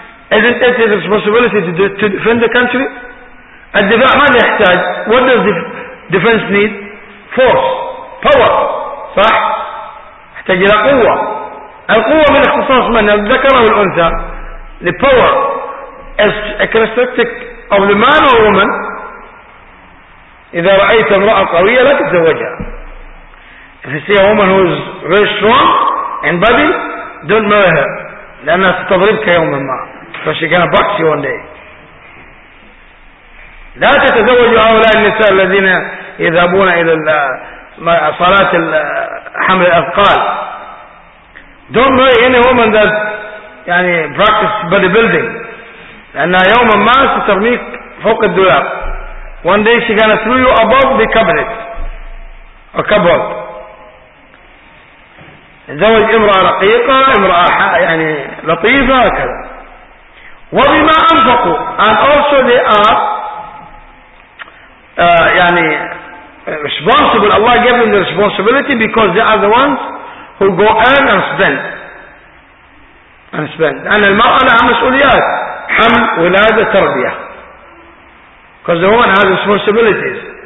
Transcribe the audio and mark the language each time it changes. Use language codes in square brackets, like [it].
[en] Isn't it his responsibility to defend the country? [ar] الدفاع ماذا يحتاج؟ [en] What does the defense need? Force. Power. [ar] صح؟ يحتاج إلى قوة. القوة من اختصاص من الذكر والأنثى. [en] The power is a characteristic of the man or woman. [ar] إذا رأيت امرأة قوية لا تتزوجها. [en] If you see a woman who is very strong and body, don't marry her. [ar] لأنها ستضربك يوما ما. [en] Because she's gonna box you one day. [ar] لا تتزوج هؤلاء النساء الذين يذهبون إلى صلاة حمل الأثقال. [en] Don't marry any woman that يعني practice bodybuilding. [ar] لأن يوما ما سترميك فوق الدولاب. [en] One day she gonna throw you above the cabinet. A cupboard. [ar] تزوج امرأة رقيقة، امرأة يعني لطيفة كذا. وبما أنفقوا [en] and also they are يعني responsible. Allah gave them the responsibility because they are the ones who go earn and spend. And spend. [ar] And المرأة لها مسؤوليات، حمل، ولادة، تربية. [en] Because the woman has responsibilities.